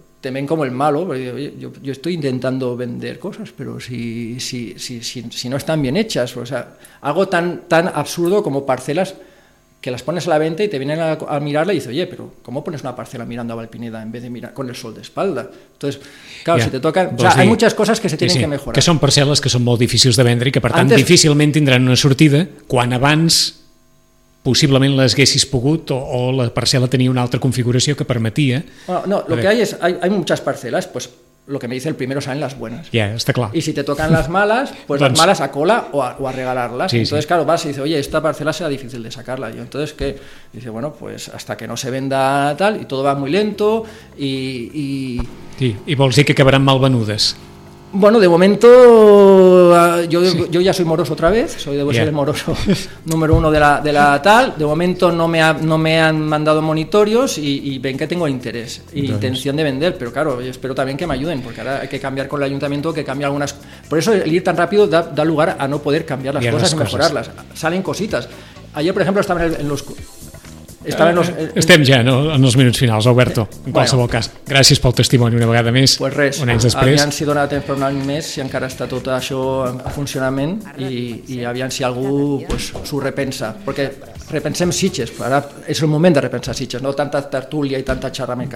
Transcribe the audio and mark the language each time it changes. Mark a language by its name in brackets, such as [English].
[Spanish] Te ven como el malo, porque yo estoy intentando vender cosas, pero si no están bien hechas, o sea, algo tan, tan absurdo como parcelas que las pones a la venta y te vienen a mirarla y dices, oye, pero ¿cómo pones una parcela mirando a Valpineda en vez de mirar con el sol de espalda? Entonces, claro, ja, si te toca... O sea, hay muchas cosas que se tienen que mejorar. [Catalan] Que són parcel·les que són molt difícils de vendre i que, per tant, difícilment tindran una sortida quan abans... possiblement les haguessis pogut o la parcel·la tenia una altra configuració que permetia... [Spanish] Bueno, no, lo que hay es... Hay muchas parcelas, pues lo que me dice el primero salen las buenas. Ja, yeah, está claro. Y si te tocan las malas, pues doncs... las malas a cola o a regalarlas. Sí, entonces, sí. Claro, vas y dices, oye, esta parcela será difícil de sacarla. Y yo, entonces, ¿qué? Dice, bueno, pues hasta que no se venda tal, y todo va muy lento y... [Catalan] Sí, i vols dir que acabaran mal venudes. [Spanish] Bueno, de momento yo ya soy moroso otra vez, debo ser el moroso número uno de la tal. De momento no me han mandado monitorios y ven que tengo interés y intención de vender, pero claro, yo espero también que me ayuden, porque ahora hay que cambiar con el ayuntamiento, que cambie algunas. Por eso el ir tan rápido da lugar a no poder cambiar las cosas y mejorarlas. Salen cositas. Ayer, por ejemplo, [Catalan] Estem ja, no? En els minuts finals, Alberto, en qualsevol cas. Gràcies pel testimoni una vegada més. Pues res, un any després. Aviam si dona temps per un any més, si encara està tot això en funcionament, i aviam si algú pues, s'ho repensa. Perquè repensem Sitges, ara és el moment de repensar Sitges, no tanta tertúlia i tanta xerrameca.